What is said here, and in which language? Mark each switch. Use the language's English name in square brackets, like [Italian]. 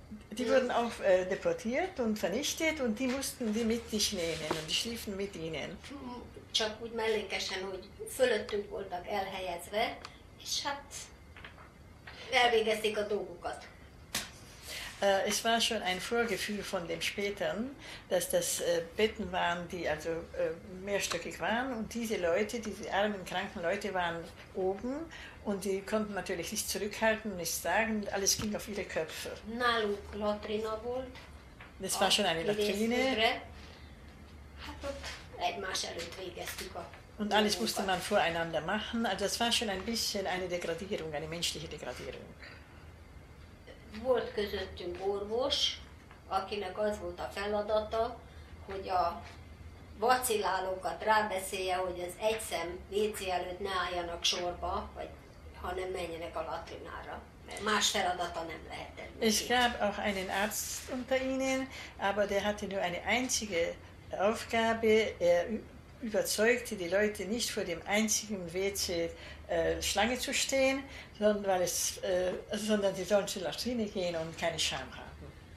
[German] Die wurden auch deportiert und vernichtet und die mussten sie mit sich nehmen und die schliefen mit ihnen. [Hungarian] Csak úgy mellékesen, hogy fölöttünk voltak elhelyezve, és hát elvégezték a dolgukat. [German] Es war schon ein Vorgefühl von dem Späteren, dass das Betten waren, die also mehrstöckig waren und diese Leute, diese armen, kranken Leute waren oben und die konnten natürlich nicht zurückhalten, nichts sagen, alles ging auf ihre Köpfe. [Hungarian] Nálunk Latrina volt. [German] Das war schon eine Latrine. [Hungarian] Hát ott egymás előtt végeztük a... [German] Und alles musste man voreinander machen, also das war schon ein bisschen eine Degradierung, eine menschliche Degradierung. [Hungarian] Volt közöttünk orvos, akinek az volt a feladata, hogy a vacilálókat rábeszélje, hogy az egyszem WC előtt ne álljanak sorba, vagy hanem menjenek a latrinára. Más feladata nem lehetett. [German] Es gab auch einen Arzt unter ihnen, aber der hatte nur eine einzige Aufgabe, er überzeugte die Leute nicht vor dem einzigen WC Schlange zu stehen, sondern weil es, sondern sie sollen zur Latrine gehen und keine Scham haben.